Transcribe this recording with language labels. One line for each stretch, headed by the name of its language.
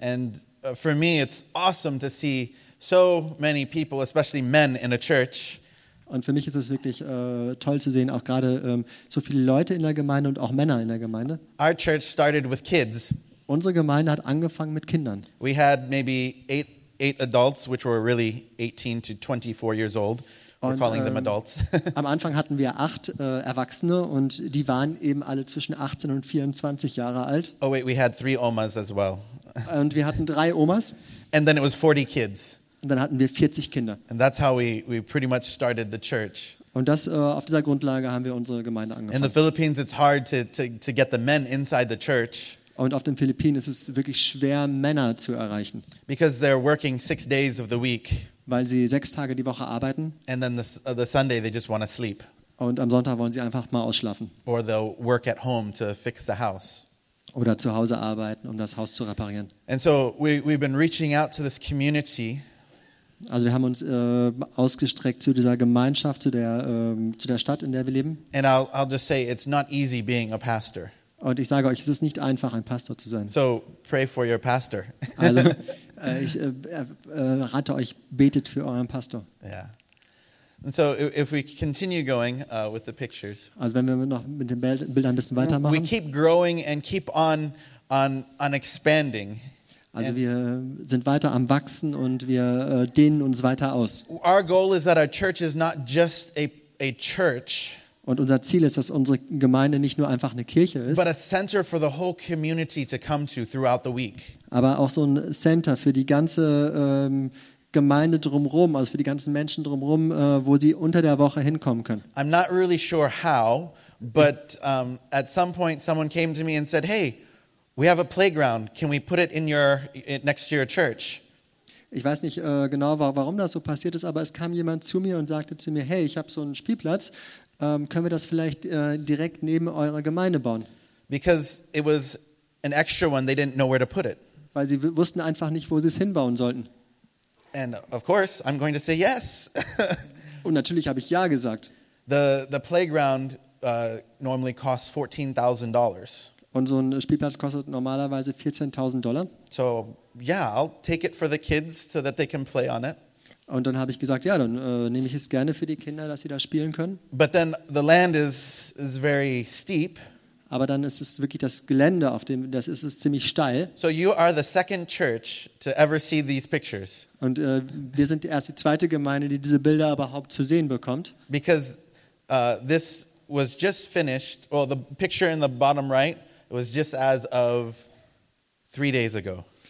English: And for me, it's awesome to see so many people, especially men, in a church.
German: Und für mich ist es wirklich toll zu sehen, auch gerade so viele Leute in der Gemeinde und auch Männer in der Gemeinde.
English: Our church started with kids.
German: Unsere Gemeinde hat angefangen mit Kindern.
English: We had maybe eight adults, which were really 18 to 24 years old. We're calling them adults.
German: Am Anfang hatten wir 8 Erwachsene und die waren eben alle zwischen 18 und 24 Jahre alt.
English: Oh wait, we had 3 Omas as well.
German: Und wir hatten 3 Omas.
English: And then it was 40 kids.
German: Und dann hatten wir 40 Kinder.
English: And that's how we pretty much started the church.
German: Und das auf dieser Grundlage haben wir unsere Gemeinde angefangen.
English: In the Philippines, it's hard to get the men inside the church.
German: Und auf den Philippinen ist es wirklich schwer, Männer zu erreichen.
English: Because they're working 6 days of the week.
German: Weil sie 6 Tage die Woche arbeiten.
English: And then the Sunday they just want to sleep.
German: Und am Sonntag wollen sie einfach mal ausschlafen.
English: Or they'll work at home to fix the house.
German: Oder zu Hause arbeiten, um das Haus zu reparieren.
English: And so we've been reaching out to this community.
German: Also wir haben uns ausgestreckt zu dieser Gemeinschaft, zu der Stadt, in der wir leben.
English: And I'll just say, it's not easy being a pastor.
German: Und ich sage euch, es ist nicht einfach, ein Pastor zu sein.
English: So, pray for your pastor.
German: Also, ich rate euch, betet für euren Pastor.
English: Yeah. And so, if we continue going with the pictures.
German: Also, wenn wir noch mit den Bildern ein bisschen weitermachen.
English: We keep growing and keep on expanding.
German: Also, wir sind weiter am Wachsen und wir dehnen uns weiter aus.
English: Our goal is that our church is not just a church.
German: Und unser Ziel ist, dass unsere Gemeinde nicht nur einfach eine Kirche ist,
English: but a center for the whole community to come to throughout the week.
German: Aber auch so ein Center für die ganze Gemeinde drumherum, also für die ganzen Menschen drumherum, wo sie unter der Woche hinkommen können.
English: I'm not really sure how, but at some point someone came to me and said, "Hey, we have a playground. Can we put it in your next to your church?"
German: Ich weiß nicht genau, warum das so passiert ist, aber es kam jemand zu mir und sagte zu mir, "Hey, ich habe so einen Spielplatz. Können wir das vielleicht direkt neben eurer Gemeinde bauen?"
English: Because it was an extra one, they didn't know where to put it.
German: Weil sie wussten einfach nicht, wo sie es hinbauen sollten.
English: And of course, I'm going to say yes.
German: Und natürlich habe ich ja gesagt.
English: The playground normally costs $14,000.
German: Und so ein Spielplatz kostet normalerweise $14,000.
English: So yeah, I'll take it for the kids so that they can play on it.
German: Und dann habe ich gesagt, ja, dann nehme ich es gerne für die Kinder, dass sie da spielen können.
English: But then the land is very steep.
German: Aber dann ist es wirklich das Gelände, auf dem das ist es ziemlich steil.
English: So you are the second church to ever see these pictures.
German: Und wir sind erst die zweite Gemeinde, die diese Bilder überhaupt zu sehen bekommt.
English: Because this was just finished. Well, the picture in the bottom right was just as of 3 days ago.